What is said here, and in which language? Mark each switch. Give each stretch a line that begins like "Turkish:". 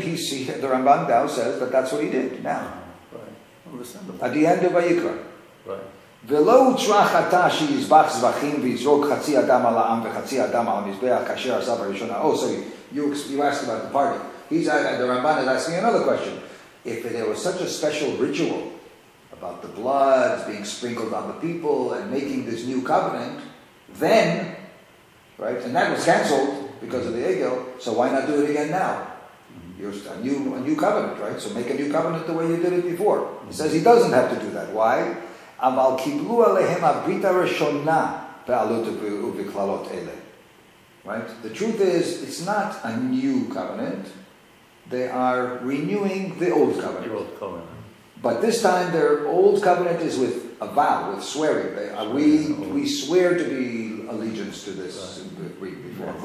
English: He see the Ramban Dao says that that's what he did now. Right. At the end of Vayikra. Right.
Hebrew: ולא הוצרח אתה שיזבח זבחים ויזרוק חצי אדם על העם וחצי אדם על המזבח כאשר עשה בראשון.
English: Oh, sorry, you asked about the party. He's the Ramban is asking another question. If there was such a special ritual about the blood being sprinkled on the people and making this new covenant, then, right, and that was cancelled because of the Egel, so why not do it again now? You're a new covenant, right? So make a new covenant the way you did it before. He says he doesn't have to do that. Why?
Hebrew: אבל קיבלו עליהם הברית הראשונה בעלות ובכללות אלה.
English: Right? The truth is, it's not a new covenant. They are renewing the old covenant. The old covenant. But this time, their old covenant is with a vow, with swearing. We swear to be allegiance to this right. Before. Yes.